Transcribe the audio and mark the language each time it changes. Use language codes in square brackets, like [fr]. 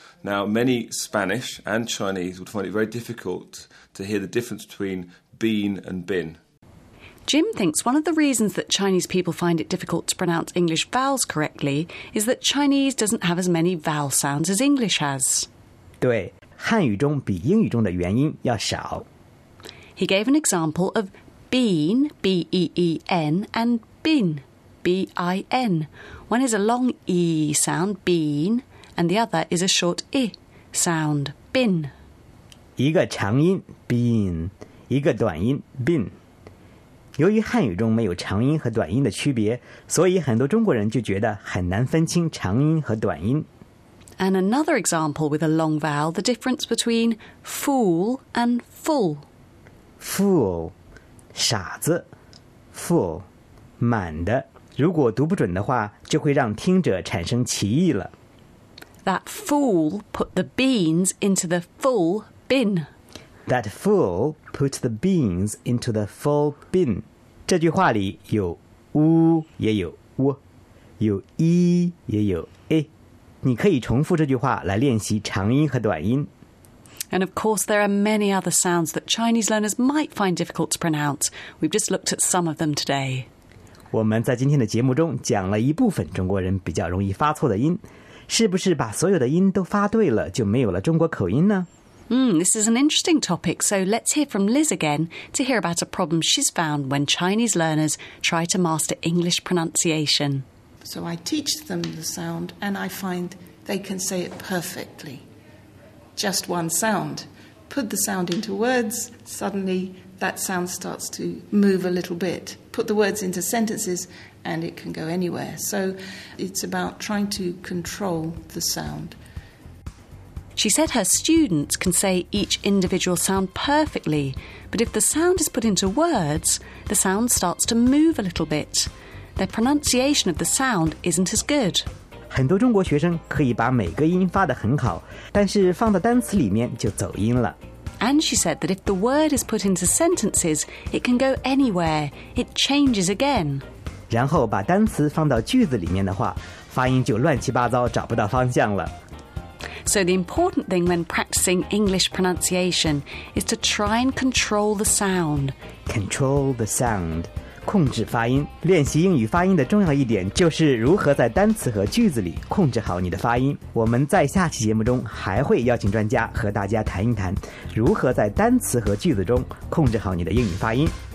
[en] Now, many Spanish and Chinese would find it very difficult to hear the difference between been and bin. Jim thinks one of the reasons that Chinese people find it difficult to pronounce English vowels correctly is that Chinese doesn't have as many vowel sounds as English has. [zh] 对，汉语中比英语中的元音要少。 [en] He gave an example of been, B-E-E-N, and bin, B-I-N. One is a long E sound, been,And the other is a short I sound, bin. [zh] 一个长音 bin, 一个短音 bin. 由于汉语中没有长音和短音的区别，所以很多中国人就觉得很难分清长音和短音。 [en] And another example with a long vowel, the difference between fool and full. [zh] Fool, 傻子 ,fool, 满的。如果读不准的话，就会让听者产生歧义了。 [en] That fool put the beans into the full bin. That fool put the beans into the full bin. [zh] 这句话里有 u 也有 w， 有 i 也有 a。你可以重复这句话来练习长音和短音。 [en] And of course, there are many other sounds that Chinese learners might find difficult to pronounce. We've just looked at some of them today. [zh] 我们在今天的节目中讲了一部分中国人比较容易发错的音。是不是把所有的音都发对了就没有了中国口音呢？ [en] This is an interesting topic, so let's hear from Liz again to hear about a problem she's found when Chinese learners try to master English pronunciation. So I teach them the sound and I find they can say it perfectly. Just one sound. Put the sound into words, suddenly that sound starts to move a little bit. Put the words into sentences,And it can go anywhere. So it's about trying to control the sound. She said her students can say each individual sound perfectly, but if the sound is put into words, the sound starts to move a little bit. Their pronunciation of the sound isn't as good. [zh] 很多中国学生可以把每个音发得很好，但是放到单词里面就走音了。 [en] And she said that if the word is put into sentences, it can go anywhere. It changes again. [zh] 然后把单词放到句子里面的话，发音就乱七八糟，找不到方向了。 [en] So the important thing when practicing English pronunciation is to try and control the sound. Control the sound. [zh] 控制发音。练习英语发音的重要一点就是如何在单词和句子里控制好你的发音。我们在下期节目中还会邀请专家和大家谈一谈如何在单词和句子中控制好你的英语发音。